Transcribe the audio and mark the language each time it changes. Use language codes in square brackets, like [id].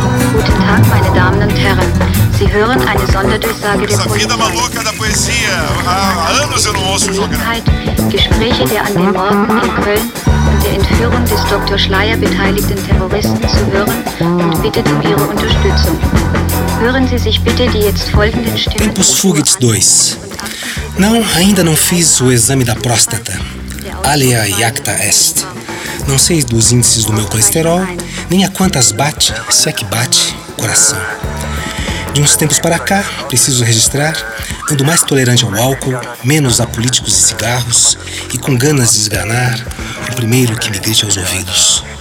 [de] Guten Tag, meine Damen und Herren. Sie hören eine Sonderdurchsage der Polizei. [pt] Essa vida maluca da poesia. Há anos eu não ouço jogar. [de] Gespräche der an den Morden in Köln und der Entführung des Dr. Schleyer beteiligten Terroristen zu hören und bittet um ihre Unterstützung. Hören Sie sich bitte die jetzt folgenden Stimmen. [pt] Tempus Fugit 2. Não, ainda não fiz o exame da próstata. [la] Alea iacta est. [pt] Não sei dos índices do meu colesterol, nem a quantas bate, se é que bate, o coração. De uns tempos para cá, preciso registrar, ando mais tolerante ao álcool, menos a políticos e cigarros, e com ganas de esganar o primeiro que me grite aos ouvidos.